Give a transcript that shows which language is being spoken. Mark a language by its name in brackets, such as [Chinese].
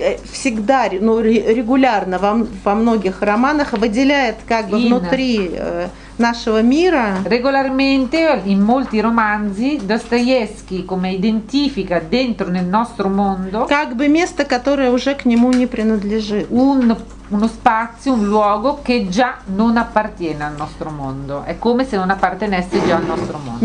[Russian] всегда, ну, регулярно во многих романах выделяет как бы внутри нашего мира. [Italian] Regolarmente in molti romanzi Достоевский come identifica dentro nel nostro mondo [Russian] как бы место, которое уже к нему не принадлежит. [Italian] Uno spazio, un luogo che già non appartiene al nostro mondo. È come se non appartenesse già al nostro mondo.